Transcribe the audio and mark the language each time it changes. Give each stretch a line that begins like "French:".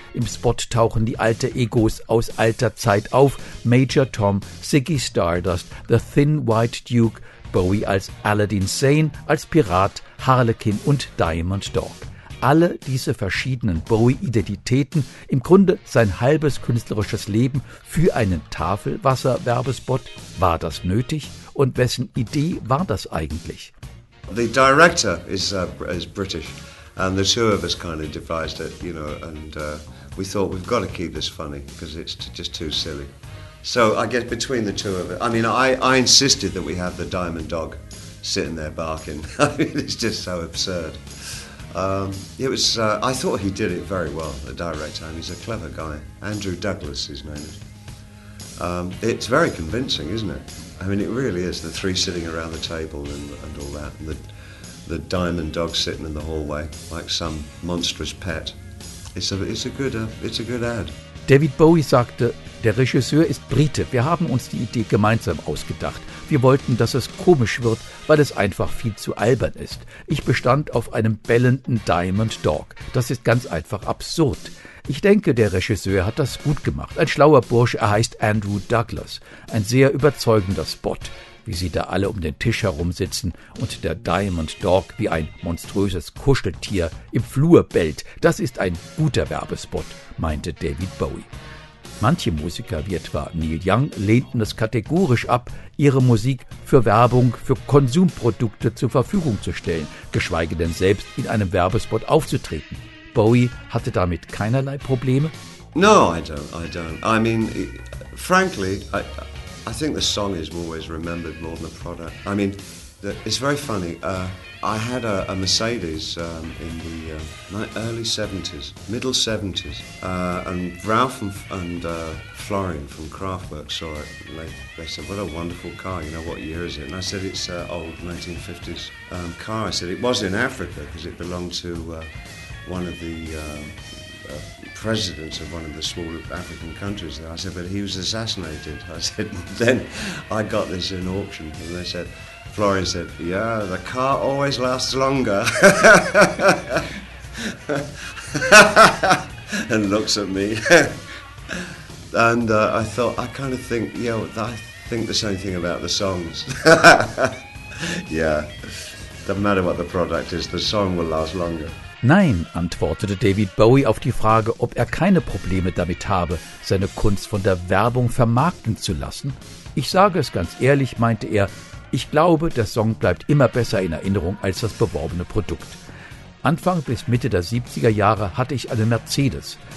German: Im Spot tauchen die alten Egos aus alter Zeit auf: Major Tom, Ziggy Stardust, The Thin White Duke, Bowie als Aladdin Sane, als Pirat, Harlequin und Diamond Dog. Alle diese verschiedenen Bowie-Identitäten, im Grunde sein halbes künstlerisches Leben für einen Tafelwasser-Werbespot, war das nötig? Und wessen Idee war das eigentlich?
English: The director is British, and the two of us kind of devised it, you know, and we thought we've got to keep this funny because it's just too silly. So I guess between the two of us, I mean, I insisted that we have the Diamond Dog sitting there barking. I mean, it's just so absurd. It was. I thought he did it very well, the director. I mean, he's a clever guy. Andrew Douglas, his name is. It's very convincing, isn't it? I mean, it really is. The three sitting around the table and all that, and the diamond dog sitting in the hallway like some monstrous pet. It's a good ad.
German: David Bowie sagte, der Regisseur ist Brite. Wir haben uns die Idee gemeinsam ausgedacht. Wir wollten, dass es komisch wird, weil es einfach viel zu albern ist. Ich bestand auf einem bellenden Diamond Dog. Das ist ganz einfach absurd. Ich denke, der Regisseur hat das gut gemacht. Ein schlauer Bursch, er heißt Andrew Douglas. Ein sehr überzeugender Spot, wie sie da alle um den Tisch herum sitzen und der Diamond Dog wie ein monströses Kuscheltier im Flur bellt. Das ist ein guter Werbespot, meinte David Bowie. Manche Musiker, wie etwa Neil Young, lehnten es kategorisch ab, ihre Musik für Werbung, für Konsumprodukte zur Verfügung zu stellen, geschweige denn selbst in einem Werbespot aufzutreten. Bowie hatte damit keinerlei Probleme?
English: No, I don't. I mean, frankly, I think the song is always remembered more than the product. I mean, it's very funny. I had a Mercedes in the early 70s, middle 70s, and Ralph and Florian from Kraftwerk saw it. They said, what a wonderful car, you know, what year is it? And I said, it's an old 1950s car. I said, it was in Africa because it belonged to one of the presidents of one of the small African countries there. I said, but he was assassinated. I said, then I got this in auction, and they said, Florian said, yeah, the car always lasts longer. And looks at me. And I thought, I kind of think, yeah, I think the same thing about the songs. Yeah, doesn't matter what the product is, the song will last longer.
German: Nein, antwortete David Bowie auf die Frage, ob er keine Probleme damit habe, seine Kunst von der Werbung vermarkten zu lassen. Ich sage es ganz ehrlich, meinte er, ich glaube, der Song bleibt immer besser in Erinnerung als das beworbene Produkt. Anfang bis Mitte der 70er Jahre hatte ich einen Mercedes.